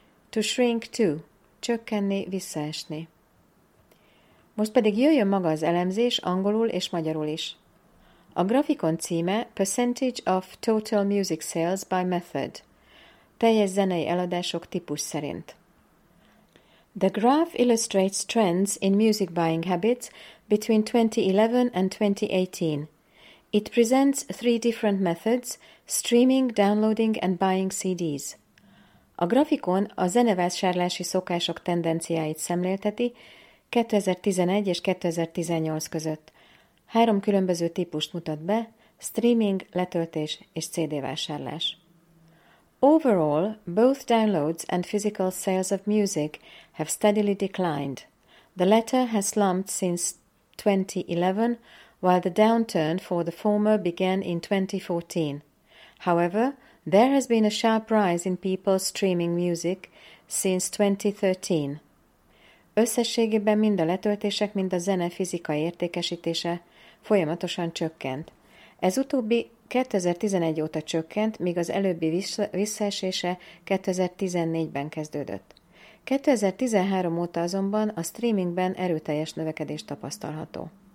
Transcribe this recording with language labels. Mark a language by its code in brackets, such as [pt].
[en] To shrink to, [hu] csökkenni, visszaesni. Most pedig jöjjön maga az elemzés angolul és magyarul is. A grafikon címe [en] Percentage of Total Music Sales by Method, [hu] teljes zenei eladások típus szerint. [en] The graph illustrates trends in music buying habits between 2011 and 2018. It presents three different methods, streaming, downloading and buying CDs. [hu] A grafikon a zenevásárlási szokások tendenciáit szemlélteti 2011 és 2018 között. Három különböző típust mutat be, streaming, letöltés és CD-vásárlás. [en] Overall, both downloads and physical sales of music have steadily declined. The latter has slumped since 2011, while the downturn for the former began in 2014. However, there has been a sharp rise in people streaming music since 2013. [hu] Összességében mind a letöltések, mind a zene fizikai értékesítése folyamatosan csökkent. Ez utóbbi 2011 óta csökkent, míg az előbbi visszaesése 2014-ben kezdődött. 2013 óta azonban a streamingben erőteljes növekedés tapasztalható.